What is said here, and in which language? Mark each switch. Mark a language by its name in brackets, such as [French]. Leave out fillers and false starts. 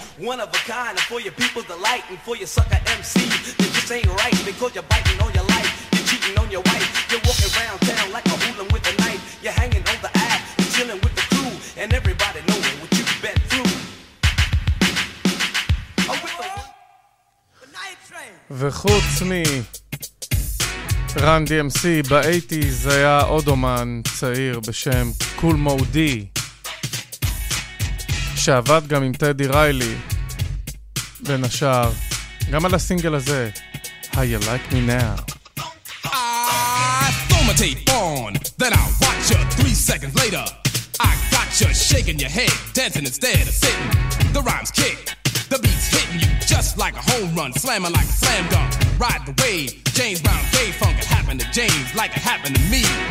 [English] One of a kind, and for your people's delight, and for your sucker MC, that just ain't right, because you're biting on your life, you're cheating on your wife, you're walking around town like a hooligan with a knife, you're hanging on the ad, you're chilling with the crew, and everybody knowing what you've been through. I'm with the night train. [Hebrew] וחוץ מ רן DMC, ב-80s היה עוד אומן צעיר בשם Cool Moe Dee, שעבד גם עם טדי ריילי בין השאר גם על הסינגל הזה How You Like Me Now. [English] I throw my tape on, then I watch you 3 seconds later. I got you shaking your head, dancing instead of sitting. The rhymes kick, the beats hitting you just like a home run, slamming like a slam dunk. Ride the wave, James Brown, Dave Funk. It happened to James like it happened to me.